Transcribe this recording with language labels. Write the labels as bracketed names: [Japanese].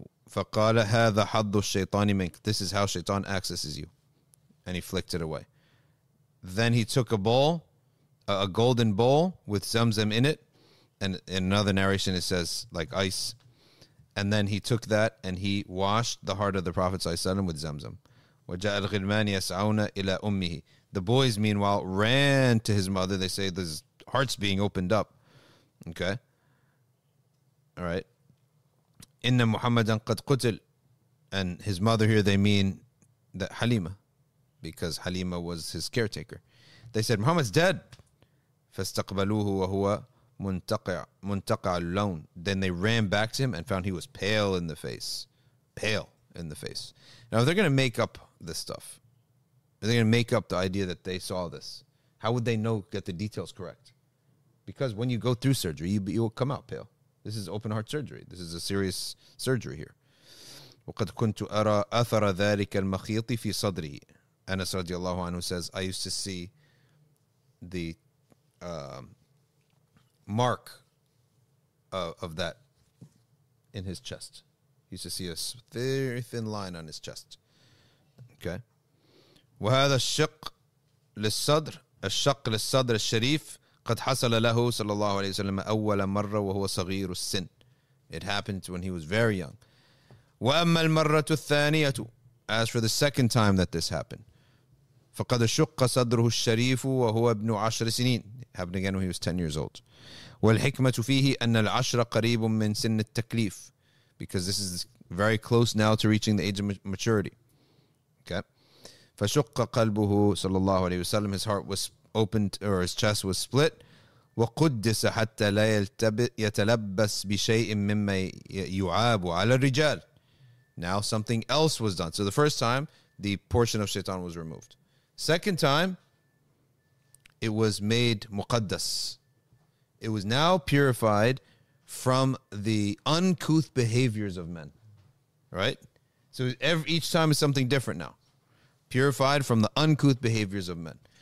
[Arabic] فقال هذا حظ الشيطان منك. [English] This is how Shaitan accesses you. And he flicked it away. Then he took a bowl, a golden bowl with zamzam in it. And in another narration it says like ice. And then he took that and he washed the heart of the Prophet ﷺ with zamzam. [Arabic] وجاء الغلمان يسعون إلى أمه. [English] The boys, meanwhile, ran to his mother. They say his heart's being opened up. Okay. All right. [Arabic] إن محمدًا قد قتل. [English] And his mother here, they mean that Halima. Because Halima was his caretaker. They said, Muhammad's dead. [Arabic] فاستقبلوه وهو منتقع اللون. [English] Then they ran back to him and found he was pale in the face. Pale in the face. Now, if they're going to make up this stuff, are they going to make up the idea that they saw this? How would they know, get the details correct? Because when you go through surgery, you will come out pale. This is open heart surgery. This is a serious surgery here. [Arabic] وقد كنت أرى أثر ذلك المخيط في صدري. [English] Anas radiallahu anhu says, I used to see the mark of that in his chest. He used to see a very thin line on his chest. Okay. [Arabic] وهذا الشق للصدر الشق للصدر الشريف قد حصل له صلى الله عليه وسلم أول مرة وهو صغير السن. [English] It happened when he was very young. [Arabic] وأما المرة الثانية, [English] as for the second time that this happened, [Arabic] فقد شق صدره الشريف وهو ابن عشر سنين. [English] Happened again when he was 10 years old. [Arabic] والحكمة فيه أن العشر قريب من سن التكليف. [English] Because this is very close now to reaching the age of maturity. [Arabic] Okay. فشق قلبه صلى الله عليه وسلم. [English] His heart was opened or his chest was split. [Arabic] وقدس حتى لا يتلبس بشيء مما يعاب على الرجال. [English] Now something else was done. So the first time, the portion of Shaitan was removed. Second time, it was made muqaddas. It was now purified from the uncouth behaviors of men. Right? So each time is something different now. Purified from the uncouth behaviors of men.